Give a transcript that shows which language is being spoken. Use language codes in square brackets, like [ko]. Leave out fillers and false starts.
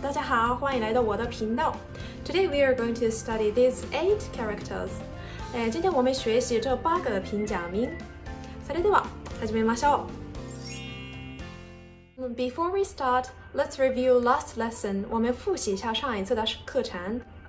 [zh] 大家好、欢迎来到我的頻道。 [en] Today we are going to study these 8 characters. [zh] 今天我们学习这8个平假名。 [ja] それでは、始めましょう。 [en] Before we start, let's review last lesson. [zh] 我们复习一下上一次的课程。